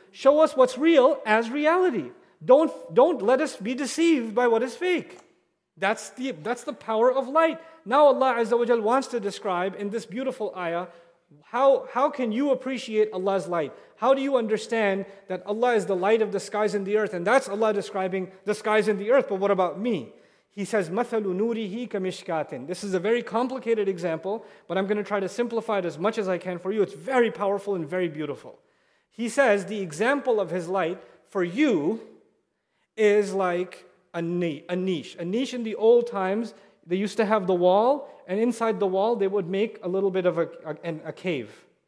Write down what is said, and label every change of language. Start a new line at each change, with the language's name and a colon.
English: Show us what's real as reality. Don't let us be deceived by what is fake. That's the power of light. Now Allah Azza wa Jal wants to describe in this beautiful ayah, How can you appreciate Allah's light? How do you understand that Allah is the light of the skies and the earth? And that's Allah describing the skies and the earth. But what about me? He says,
Arabic: مَثَلُ نُورِهِ كَمِشْكَاتٍ.
English: This is a very complicated example, but I'm going to try to simplify it as much as I can for you. It's very powerful and very beautiful. He says, the example of His light for you is like a niche. A niche in the old times, they used to have the wall, and inside the wall, they would make a little bit of a cave.